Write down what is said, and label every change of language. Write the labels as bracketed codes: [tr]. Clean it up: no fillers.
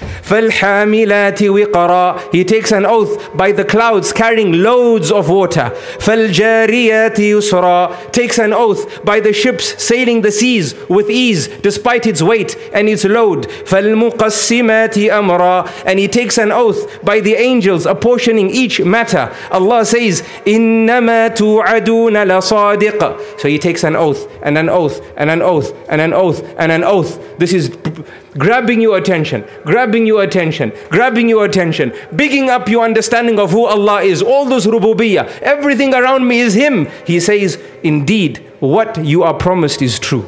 [ar] فَالْحَامِلَاتِ وِقَرَى, [en] He takes an oath by the clouds carrying loads of water. [ar] فَالْجَارِيَاتِ يُسْرَى, [en] takes an oath by the ships sailing the seas with ease despite its weight and its load. [ar] فَالْمُقَسِّمَاتِ أَمْرَى, [en] and He takes an oath by the angels apportioning each matter. [ar] Allah says, إِنَّمَا تُوعَدُونَ لَصَادِقَ. [en] So He takes an oath and an oath and an oath and an oath and an oath. This is grabbing your attention, grabbing your attention, bigging up your understanding of who Allah is, all those rububiyyah, everything around me is Him. He says, indeed, what you are promised is true.